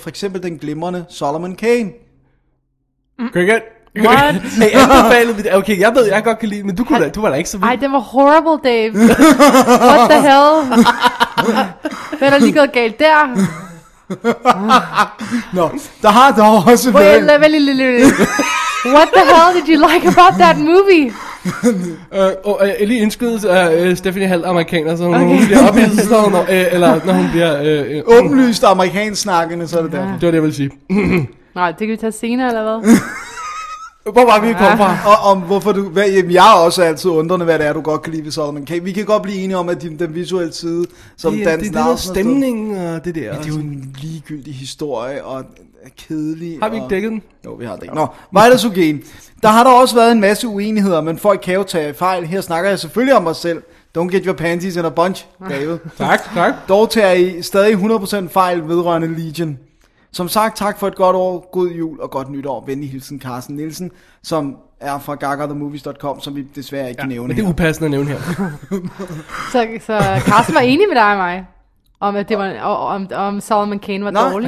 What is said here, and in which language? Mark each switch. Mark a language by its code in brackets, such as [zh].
[da] For eksempel den glimrende Solomon Kane. Cricket. [en] What? [da] Hey, anbefalede vi det? Okay, jeg ved, jeg godt kan lide, men du var da ikke så vild. Ej, det var horrible, Dave. [en] What the hell? [da] Hvad er der lige gået galt der? Nå, der har dog også været... [en] Wait, let me... What the hell did you like about that movie? [da] Og lige indskyldes af Stephanie Hall, amerikaner, så når hun bliver ophidset, eller når hun bliver... Åbenlyst amerikansk snakkende, så er det derfor. Det var det, jeg ville sige. Nej, det kan vi tage senere, eller hvad? Hvor var vi kommet fra? Og om hvorfor du... jeg er også altid undrende, hvad det er, du godt kan lide ved Solomon Kane. Vi kan godt blive enige om, at den visuelle side, som dansk navn... Det er stemningen og det der. Ja, det er jo en ligegyldig historie, og kedelig. Har vi ikke dækket den? Jo, vi har det ikke. Nå, Vitasugen. Der har der også været en masse uenigheder, men folk kan jo tage fejl. Her snakker jeg selvfølgelig om mig selv. [en] Don't get your panties in a bunch, David. [da] Tak. Dog tager I stadig 100% fejl vedrørende Legion. Som sagt, tak for et godt år, god jul og godt nytår. Venlig hilsen, Carsten Nielsen, som er fra gagathemovies.com, som vi desværre ikke kan nævne. Men det er upassende at nævne her. så Carsten var enig med dig og mig, om at det var, om Solomon Kane var dårlig.